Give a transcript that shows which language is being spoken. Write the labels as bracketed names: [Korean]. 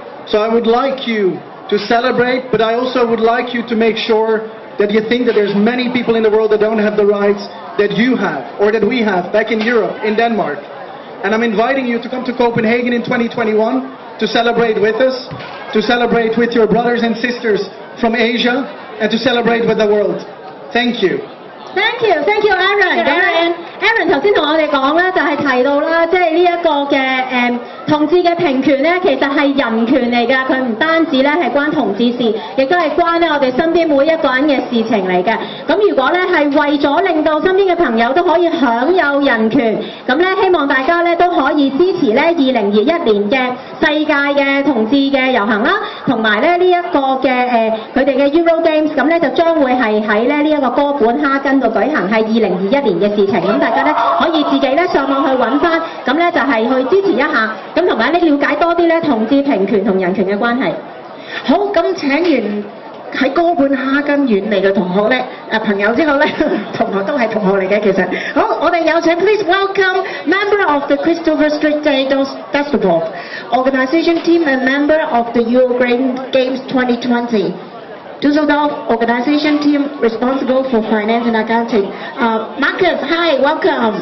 [English] So I would like you to celebrate, but I also would like you to make sure that you think that there's many people in the world that don't have the rights that you have, or that we have back in Europe, in Denmark. And I'm inviting you to come to Copenhagen in 2021 to celebrate with us, to celebrate with your brothers and sisters from Asia, and to celebrate with the world. Thank you. Thank you, Aaron. [Cantonese] Aaron 剛才跟我們說，就是提到這個同志的平權其實是人權來的，它不單止是關同志事，也是關我們身邊每一個人的事情來的。如果是為了令到身邊的朋友都可以享有人權，希望大家都可以支持2021年的世界的同志的遊行，以及這個他們的 Euro Games 就將會是在這個哥本哈根舉行，是2021年的事情。大家可以自己上網去找回，就是去支持一下，還有了解多一些同志平權和人權的關係。好，那請完在哥本哈根遠離的同學呢、朋友之後呢，同學都是同學來的其實。好，我們有請 [English] Please welcome Member of the Christopher Street Day Festival Organization Team and Member of the Euro Games 2020Dusseldorf Organization Team responsible for finance and accounting. Marcus, hi, welcome.